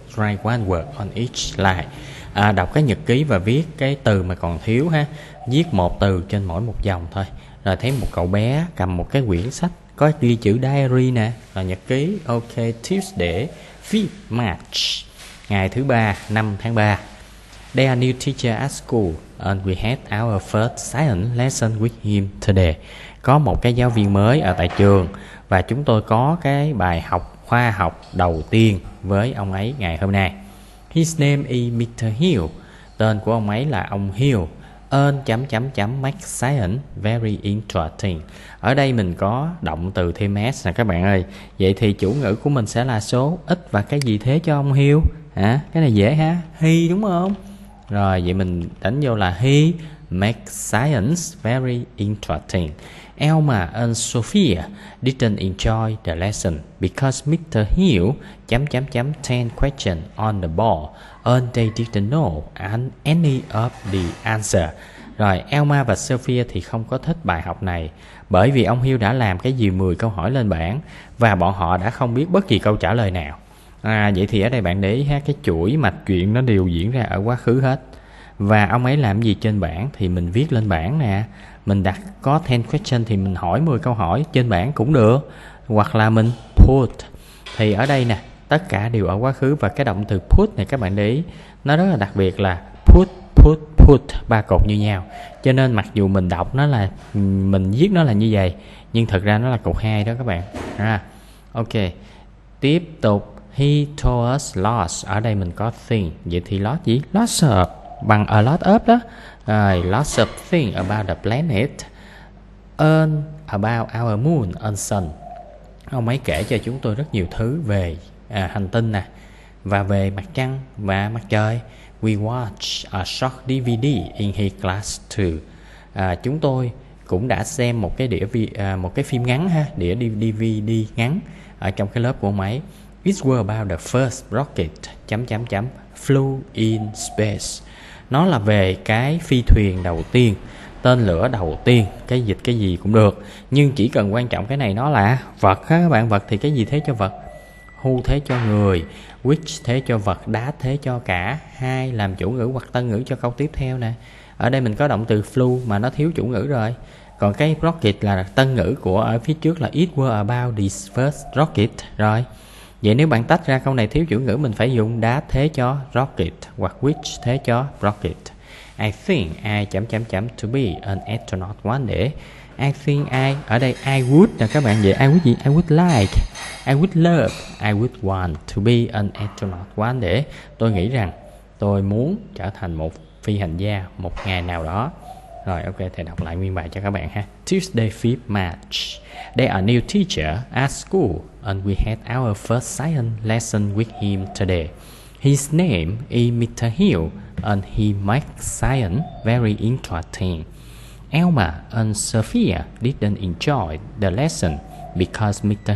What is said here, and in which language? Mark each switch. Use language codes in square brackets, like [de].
[en] Try one word on each line. [vi] À, đọc cái nhật ký và viết cái từ mà còn thiếu ha. Viết một từ trên mỗi một dòng thôi. Rồi thấy một cậu bé cầm một cái quyển sách có ghi chữ diary nè, là nhật ký. Ok, [en] Tuesday, 5th March, [vi] ngày thứ ba, 5 tháng 3. [en] There are new teacher at school and we had our first science lesson with him today. [vi] Có một cái giáo viên mới ở tại trường và chúng tôi có cái bài học khoa học đầu tiên với ông ấy ngày hôm nay. [en] His name is Mr. Hill. [vi] Tên của ông ấy là ông Hill. [en] And ...make science very interesting. [vi] Ở đây mình có động từ thêm S nè các bạn ơi. Vậy thì chủ ngữ của mình sẽ là số ít và cái gì thế cho ông Hill? Hả? Cái này dễ ha? He đúng không? Rồi vậy mình đánh vô là [en] he makes science very interesting. Elma and Sophia didn't enjoy the lesson because Mr. Hill ...10 questions on the board and they didn't know any of the answer. [vi] Rồi Elma và Sophia thì không có thích bài học này bởi vì ông Hill đã làm cái gì 10 câu hỏi lên bảng và bọn họ đã không biết bất kỳ câu trả lời nào. À, vậy thì ở đây bạn để ý ha, cái chuỗi mạch chuyện nó đều diễn ra ở quá khứ hết. Và ông ấy làm gì trên bảng thì mình viết lên bảng nè. Mình đặt có 10 question thì mình hỏi 10 câu hỏi trên bảng cũng được. Hoặc là mình put. Thì ở đây nè, tất cả đều ở quá khứ và cái động từ put này các bạn để ý, nó rất là đặc biệt là put, put, put, ba cột như nhau. Cho nên mặc dù mình đọc nó là, mình viết nó là như vậy, nhưng thật ra nó là cột 2 đó các bạn. À, ok, tiếp tục. [en] He told us lots. [vi] Ở đây mình có thing. Vậy thì lots gì? Lots of. Bằng a lot of đó. [en] Lots of things about the planet and about our moon and sun. [vi] Ông ấy kể cho chúng tôi rất nhiều thứ về hành tinh nè và về mặt trăng và mặt trời. [en] We watch a short DVD in his class too. [vi] Chúng tôi cũng đã xem một cái đĩa một cái phim ngắn ha, đĩa DVD ngắn ở trong cái lớp của ông ấy. [en] It was about the first rocket flew in space. [vi] Nó là về cái phi thuyền đầu tiên, tên lửa đầu tiên, cái dịch cái gì cũng được. Nhưng chỉ cần quan trọng cái này nó là vật ha các bạn, vật thì cái gì thế cho vật? Who thế cho người, which thế cho vật, đá thế cho cả. Hai, làm chủ ngữ hoặc tân ngữ cho câu tiếp theo nè. Ở đây mình có động từ flew mà nó thiếu chủ ngữ rồi. Còn cái rocket là tân ngữ của ở phía trước là [en] it was about this first rocket. [vi] Rồi, vậy nếu bạn tách ra câu này thiếu chủ ngữ mình phải dùng đá thế cho rocket hoặc which thế cho rocket. [en] I think I ...to be an astronaut one day. I think I, [vi] ở đây [en] I would [vi] nè các bạn, vậy [en] I would gì? I would like, I would love, I would want to be an astronaut one day. [vi] Tôi nghĩ rằng tôi muốn trở thành một phi hành gia một ngày nào đó. Rồi ok, thầy đọc lại nguyên bài cho các bạn ha. [en] Tuesday 5th March. There are new teacher at school and we had our first science lesson with him today. His name is Mr. Hill and he makes science very interesting. Elma and Sophia didn't enjoy the lesson because Mr.